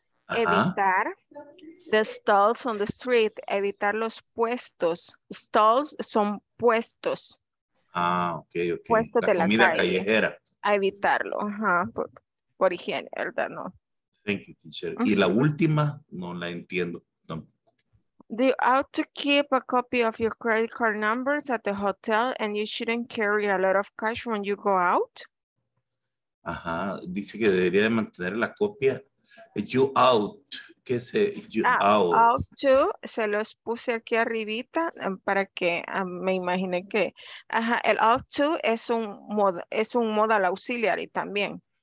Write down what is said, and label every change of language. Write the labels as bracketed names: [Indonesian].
[Spanish] Evitar [English] the stalls on the street, [Spanish] evitar los puestos. Stalls son puestos. Ah, okay, okay. Puestos la de comida la calle. Callejera. A evitarlo, ajá, por higiene, ¿verdad? No. [English] Thank you, teacher. [Spanish] Uh-huh. Y la última, no la entiendo. No. [English] Do you have to keep a copy of your credit card numbers at the hotel and you shouldn't carry a lot of cash when you go out? [Spanish] Ajá, dice que debería de mantener la copia. [English] You out, [Spanish] ¿qué es [English] you out? Out to, [Spanish] se los puse aquí arribita para que me imagine que. Ajá, el [English] out to [Spanish] es un [English] modal auxiliary [Spanish] también.